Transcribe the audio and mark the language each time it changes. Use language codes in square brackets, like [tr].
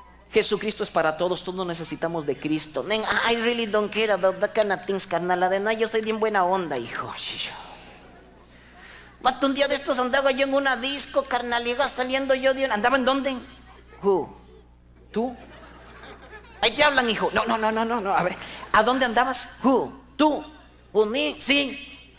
[es] Jesucristo es para todos, todos necesitamos de Cristo. [en] Men, I really don't care about that kind of things, carnal. [es] Además, yo soy bien buena onda, hijo. Chicho. Hasta un día de estos andaba yo en una disco, carnal, y iba saliendo yo de una... ¿Andaba en dónde? [en] Who? [es] ¿Tú? Ahí te hablan, hijo. No. A ver, ¿a dónde andabas? [en] Who? [es] ¿Tú? [en] ¿Who, me? [es] Sí.